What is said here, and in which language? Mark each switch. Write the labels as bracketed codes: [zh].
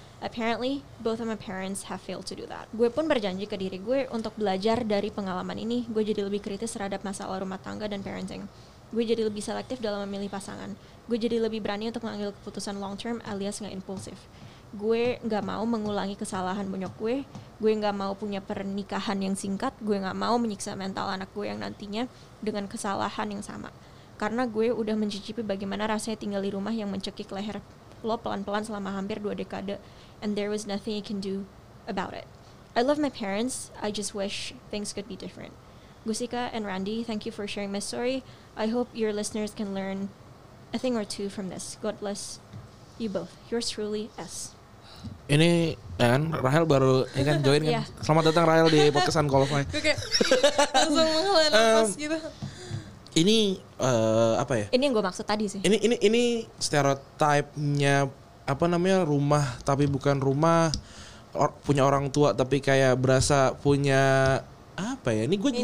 [en] Apparently, both of my parents have failed to do that. [id] Gue pun berjanji ke diri gue untuk belajar dari pengalaman ini. Gue jadi lebih kritis terhadap masalah rumah tangga dan parenting. Gue jadi lebih selektif dalam memilih pasangan. Gue jadi lebih berani untuk mengambil keputusan long term alias gak impulsif. Gue gak mau mengulangi kesalahan bonyok gue. Gue gak mau punya pernikahan yang singkat. Gue gak mau menyiksa mental anak gue yang nantinya dengan kesalahan yang sama. Karena gue udah mencicipi bagaimana rasanya tinggal di rumah yang mencekik leher lo pelan-pelan selama hampir 2 decades. [en] And there was nothing you can do about it. I love my parents. I just wish things could be different. Gusika and Randy, thank you for sharing my story. I hope your listeners can learn a thing or two from this. God bless you both. Yours truly, S. [id] Ini kan Rahel baru ini kan join kan. Yeah. Selamat datang Rahel di podcast Uncolify. Oke. Langsung menghela nafas gitu. Ini apa ya? Ini yang gue maksud tadi sih. Ini stereotipnya apa namanya, rumah tapi bukan rumah, punya orang tua tapi kayak berasa punya apa ya? Ini gue juga.